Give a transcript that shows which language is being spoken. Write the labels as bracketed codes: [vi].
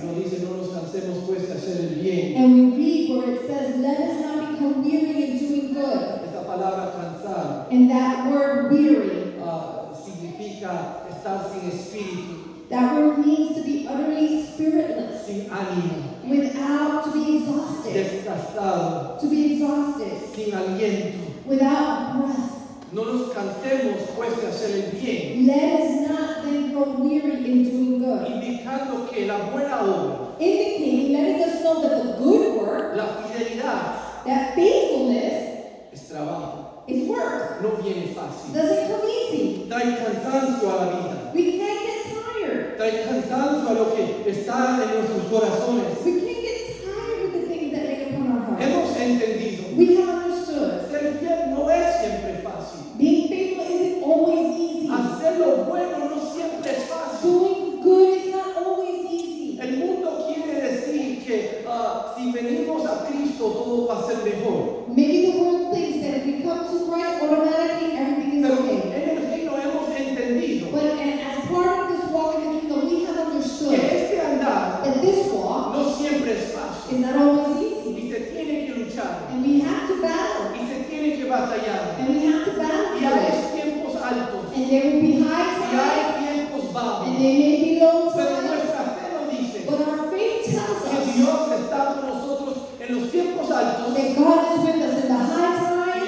[es] y nos dice no nos cansemos pues de hacer el bien, [en] and we read where it says, let us not become weary in doing good. [es] Esta palabra cansar, [en] and that word weary, [es] significa estar sin espíritu. [en] That word means to be utterly spiritless, [es] sin ánimo, [en] without, to be exhausted, [es] desgastado, [en] to be exhausted, [es] sin aliento, [en] without breath. [es] No nos cansemos pues de hacer el bien. [en] Let us not then grow weary in doing good. [es] Indicando que la buena obra, [en] indicating, letting us know that the good work, [es] la fidelidad, [en] that faithfulness, [es] es trabajo, [en] is work. [es] No viene fácil. [en] Doesn't come easy. [es] Trae cansancio a la vida. [en] We can't get tired. [es] Trae cansancio a lo que está en nuestros corazones. [en] We can't get tired with the things that lay upon our hearts. [es] Hemos entendido. [en] We have understood. [es] Ser fiel no es siempre fácil. [en] Being faithful isn't always easy. [es] Hacer lo bueno no siempre es fácil. [en] Doing good is not always easy. [es] El mundo quiere decir que si venimos a Cristo todo va a ser mejor. [en] Maybe the world thinks that if we come to Christ automatically everything is [es] pero [en] okay. [es] En el reino hemos entendido. [en] But as part of this walk in the kingdom, we have understood [es] que este andar, [en] that this walk, [es] no siempre es fácil. [en] Is not always easy. [es] Y se tiene que luchar. [en] And we have to battle. [es] Y se tiene que batallar. [en] And we have to battle. [es] Y hay tiempos altos. [en] And there will be high times. [es] Y hay tiempos bajos. [en] And there may be low times. [es] Pero nuestra fe nos dice. [en] But our faith tells us. [es] Que Dios está con nosotros en los tiempos altos. [en] That God is with us in the high times.